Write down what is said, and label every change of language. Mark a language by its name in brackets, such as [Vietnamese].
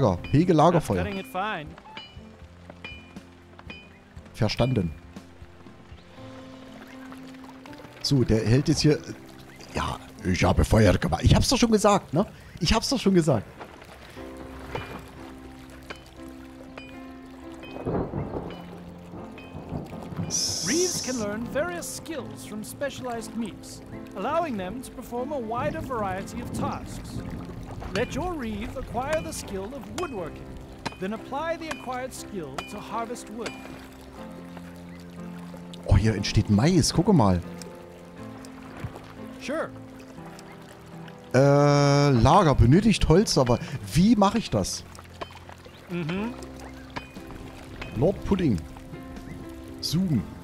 [German] Hege Lagerfeuer. Verstanden. So, der hält jetzt hier. Ja, ich habe Feuer gemacht. Ich hab's doch schon gesagt, ne? [English] Reeves can learn various skills from specialized meeps, allowing them to perform a wider variety of tasks. Let your Reeve acquire the skill of woodworking, then apply the acquired skill to harvest wood. [German] Oh, hier entsteht Mais, guck mal. [English] Sure. [German] Lager benötigt Holz, aber wie mache ich das? Mhm. Lord Pudding. Zoom.